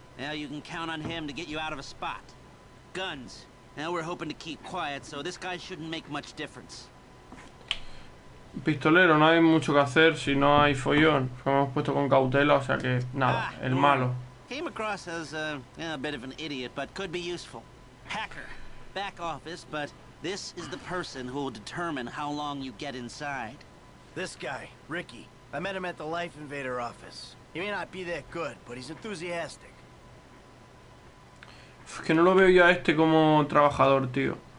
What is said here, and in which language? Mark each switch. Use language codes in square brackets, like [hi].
[en] Now you can count on him to get you out of a spot. Guns. Now we're hoping to keep quiet, so this guy shouldn't make much difference. [es] Pistolero, no hay mucho que hacer si no hay follón. Hemos puesto con cautela, o sea que... Nada, el malo. [en] Came across as a bit of an idiot, but could be useful. Hacker. Back office, but... This is the person who will determine how long you get inside. This guy, Ricky. I met him at the Life Invader office. He may not be that good, but he's enthusiastic. [es] Es que no lo veo yo a este como trabajador, tío.